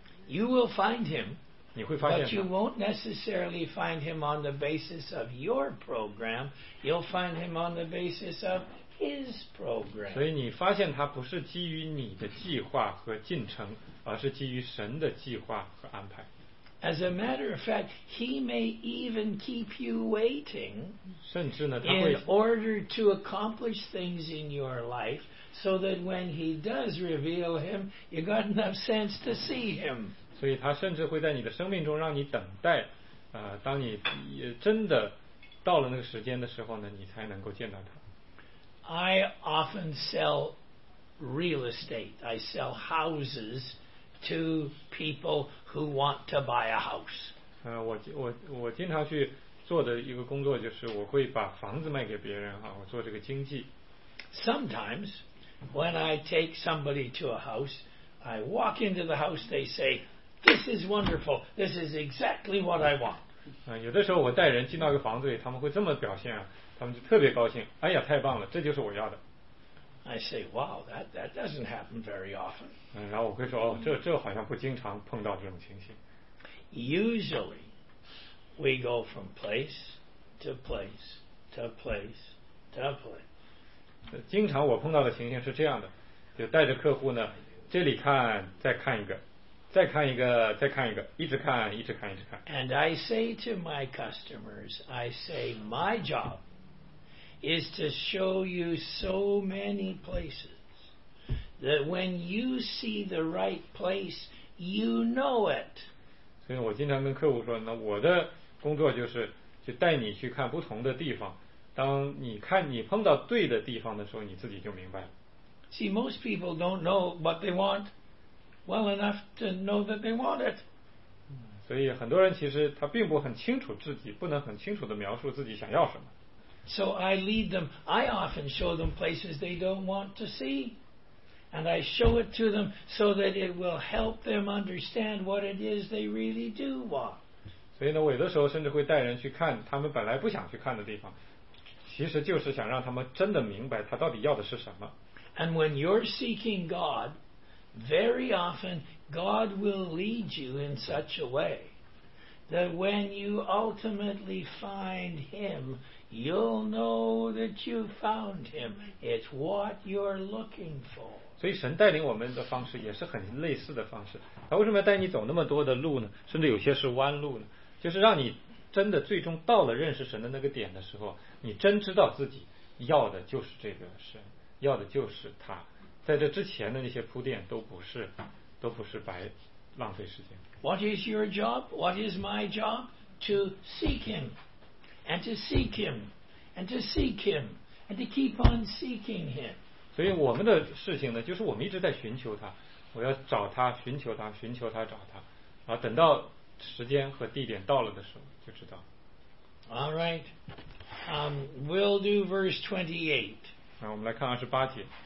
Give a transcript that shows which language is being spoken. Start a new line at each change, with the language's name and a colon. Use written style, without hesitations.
English: You will find him,
Chinese: 你会发现他，
English: but you won't necessarily find him on the basis of your program, you'll find him on the basis of his program.
Chinese: 所以你发现他不是基于你的计划和进程，而是基于神的计划和安排。
English: As a matter of fact, he may even keep you waiting,
Chinese: 甚至呢，他会
English: in order to accomplish things in your life, so that when he does reveal him, you got enough sense to see him.
Chinese: 所以他甚至会在你的生命中让你等待，当你真的到了那个时间的时候呢，你才能够见到他。
English: I often sell real estate. I sell houses. To people who want to buy a house.
Chinese: 我经常去做的一个工作就是我会把房子卖给别人哈，我做这个经纪。
English: Sometimes when I take somebody to a house, I walk into the house. They say, "This is wonderful. This is exactly what I want."
Chinese: 有的时候我带人进到一个房子里，他们会这么表现啊，他们就特别高兴。哎呀，太棒了，这就是我要的。
English: I say, wow, that doesn't happen very often.
Chinese: 然后我会说，哦，这好像不经常碰到这种情形。
English: Usually, we go from place to place to place to place.
Chinese: 经常我碰到的情形是这样的，就带着客户呢，这里看，再看一个，再看一个，再看一个，一直看，一直看，一直看。
English: And I say to my customers, I say, my job. Is to show you so many places that when you see the right place, you know it.
Chinese: 所以我经常跟客户说，那我的工作就是去带你去看不同的地方。当你看你碰到对的地方的时候，你自己就明白了。
English: See, most people don't know what they want well enough to know that they want it.
Chinese: 所以很多人其实他并不很清楚自己，不能很清楚地描述自己想要什么。
English: So I lead them. I often show them places they don't want to see. And I show it to them so that it will help them understand what it is they really do want.
Chinese: 所以呢，我有的时候甚至会带人去看他们本来不想去看的地方，其实就是想让他们真的明白他到底要的是什么。
English: And when you're seeking God, very often God will lead you in such a way that when you ultimately find him, you'll know that you found him. It's what you're looking for.
Chinese: 所以神带领我们的方式也是很类似的方式。他为什么要带你走那么多的路呢？甚至有些是弯路呢？就是让你真的最终到了认识神的那个点的时候，你真知道自己要的就是这个神，要的就是他。在这之前的那些铺垫都不是白浪费时间。
English: What is your job? What is my job? To seek him, and to seek him, and to seek him, and to keep on seeking him.
Chinese: 所以我们的事情呢，就是我们一直在寻求他，我要找他，寻求他，寻求他，找他，然后等到时间和地点到了的时候，就知道。
English: All right, we'll do verse 28.
Chinese: 那我们来看二十八节。